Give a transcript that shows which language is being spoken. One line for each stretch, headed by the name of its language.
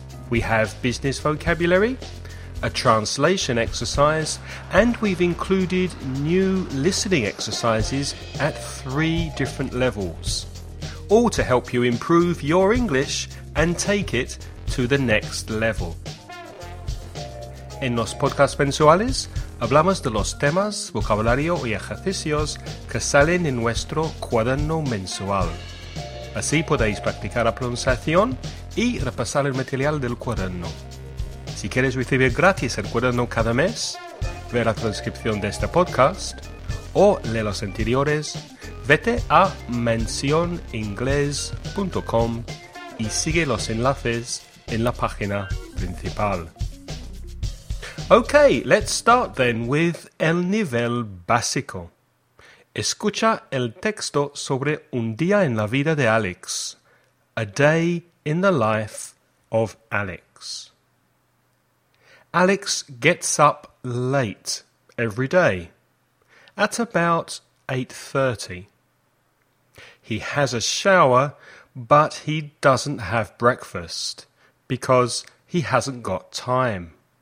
English: We have business vocabulary, a translation exercise, and we've included new listening exercises at three different levels, all to help you improve your English and take it to the next level.
Spanish: En los podcasts mensuales, hablamos de los temas, vocabulario y ejercicios que salen en nuestro cuaderno mensual. Así podéis practicar la pronunciación y repasar el material del cuaderno. Si quieres recibir gratis el cuaderno cada mes, ver la transcripción de este podcast o leer los anteriores, vete a mansioningles.com y sigue los enlaces en la página principal.
English: Okay, let's start then with
Spanish: el nivel básico. Escucha el texto sobre un día en la vida de Alex.
English: A day in the life of Alex. Alex gets up late every day, at about 8:30. He has a shower, but he doesn't have breakfast because he hasn't got time.